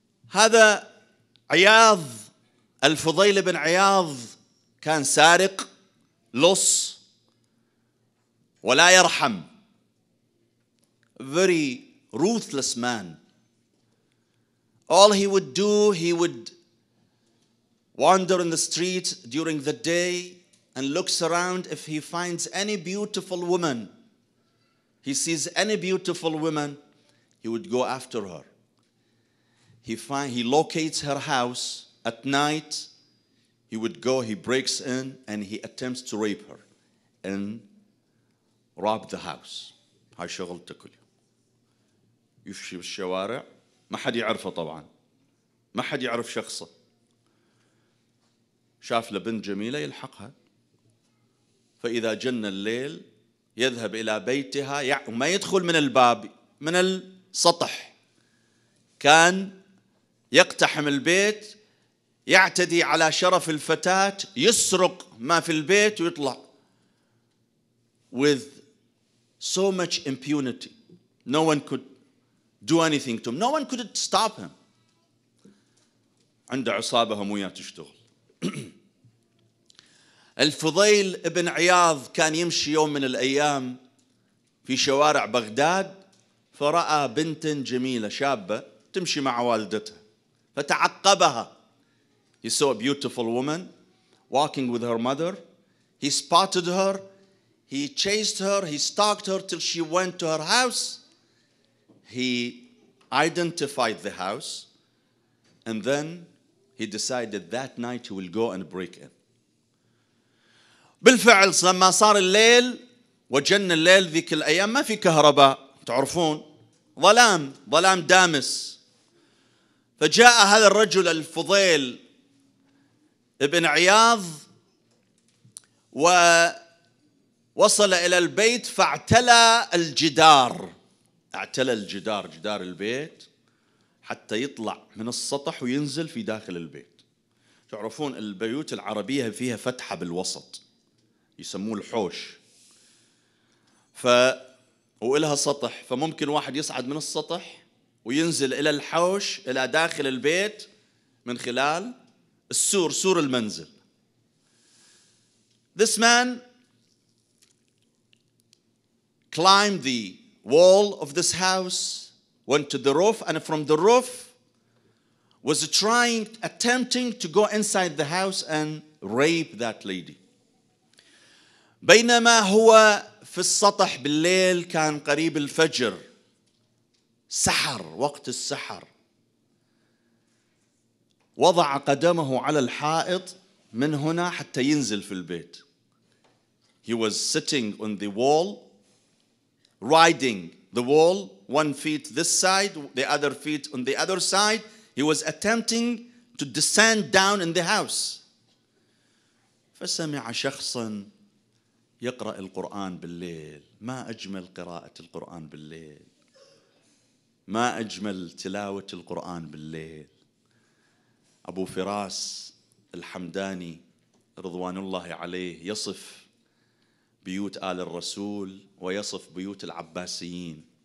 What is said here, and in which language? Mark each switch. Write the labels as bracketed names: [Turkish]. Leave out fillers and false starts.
[Arabic] هذا عياض الفضيل بن عياض كان سارق لص ولا يرحم، [English] very ruthless man. All he would do, he would wander in the street during the day and looks around. If he finds any beautiful woman, he sees any beautiful woman, he would go after her. He locates her house at night. He would go, he breaks in, and he attempts to rape her and rob the house. [Arabic] هاي شغلته كلها. يفشي بالشوارع، ما حد يعرفه طبعا، ما حد يعرف شخصه. شاف لبنت جميلة يلحقها، فإذا جن الليل يذهب إلى بيتها، وما يدخل من الباب، من السطح كان يقتحم البيت، يعتدي على شرف الفتاة، يسرق ما في البيت ويطلع [English] with so much impunity. No one could do anything to him. No one could stop him. [Arabic] عنده عصابة هموية تشتغل. الفضيل ابن عياض كان يمشي يوم من الأيام في شوارع بغداد، فرأى بنت جميلة شابة تمشي مع والدتها، فتعقبها. [English] He saw a beautiful woman walking with her mother. He spotted her. He chased her. He stalked her till she went to her house. He identified the house. And then he decided that night he will go and break in. [Arabic] بالفعل لما صار الليل وجن الليل، ذيك الأيام ما في كهرباء تعرفون، ظلام ظلام دامس. فجاء هذا الرجل الفضيل ابن عياض ووصل إلى البيت، فاعتلى الجدار، اعتلى الجدار جدار البيت حتى يطلع من السطح وينزل في داخل البيت. تعرفون البيوت العربية فيها فتحة بالوسط يسموه الحوش، وإلها سطح، فممكن واحد يصعد من السطح وينزل إلى الحوش إلى داخل البيت من خلال السور، سور المنزل. [English] This man climbed the wall of this house, went to the roof, and from the roof was attempting to go inside the house and rape that lady. [Arabic] بينما هو في السطح بالليل، كان قريب الفجر، سحر، وقت السحر، وضع قدمه على الحائط من هنا حتى ينزل في البيت. [English] He was sitting on the wall, riding the wall, 1 foot this side, the other foot on the other side. He was attempting to descend down in the house. [Arabic] فسمع شخصاً يقرأ القرآن بالليل. ما أجمل قراءة القرآن بالليل، ما أجمل تلاوة القرآن بالليل. أبو فراس الحمداني رضوان الله عليه يصف بيوت آل الرسول ويصف بيوت العباسيين.